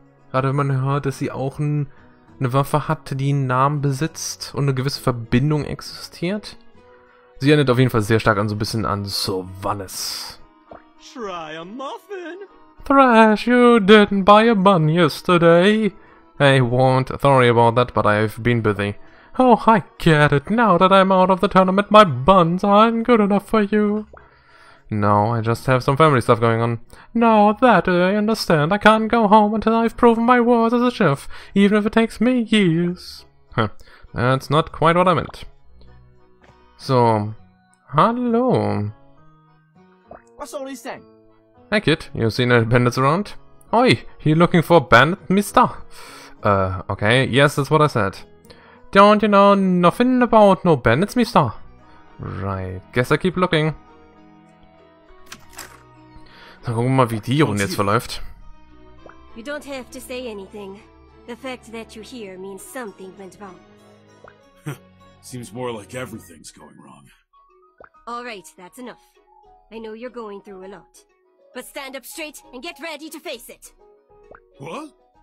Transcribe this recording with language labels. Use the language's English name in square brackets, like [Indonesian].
[German] Gerade wenn man hört, dass sie auch eine Waffe hat, die einen Namen besitzt und eine gewisse Verbindung existiert. Sie erinnert auf jeden Fall sehr stark an so ein bisschen an Sylvanas. [English] Try a muffin! Thrash, you didn't buy a bun yesterday! I warned Thorry about that, but I've been busy. Oh, I get it. Now that I'm out of the tournament, my buns aren't good enough for you. No, I just have some family stuff going on. No, that I understand. I can't go home until I've proven my worth as a chef, even if it takes me years. Huh. That's not quite what I meant. So, hello. What's all this thing? Hey kid, you seen any bandits around? Oi, you looking for a bandit, mister? Okay, yes, that's what I said. Don't you know nothing about no bandits, mister? Right, guess I keep looking. [German] So, gucken wir mal, wie die Runde jetzt verläuft. [English] You don't have to say anything. The fact that you're here means something went wrong. Seems more like everything's going wrong. All right, that's enough. I know you're going through a lot. But stand up straight and get ready to face it. What?